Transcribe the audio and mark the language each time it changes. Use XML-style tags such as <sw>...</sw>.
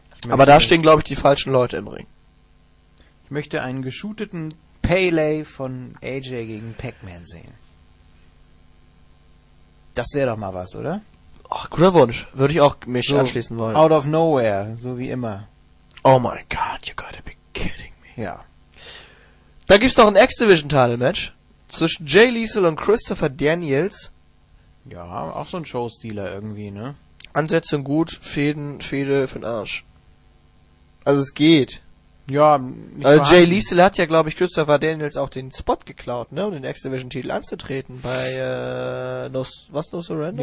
<de>Aber da stehen, glaube ich, die falschen Leute im Ring. Ich möchte einen geshooteten Pele von AJ gegen Pac-Man sehen. Das wäre doch mal was, oder? Ach, guter Wunsch. Würde ich auch mich so anschließen wollen.</de> <en>Out of nowhere,</en> <de>so wie immer.</de> <en>Oh my god, you gotta be kidding me.</en> <de>Ja. Da gibt's noch ein X-Division-Title-Match zwischen Jay Lethal und Christopher Daniels. Ja, auch so ein Show-Stealer irgendwie, ne? Ansätze gut, Fehde für den Arsch. Also es geht. Ja, also Jay Lethal hat ja, glaube ich, Christopher Daniels auch den Spot geklaut, ne, um den X-Division-Titel anzutreten bei No Surrender?</de>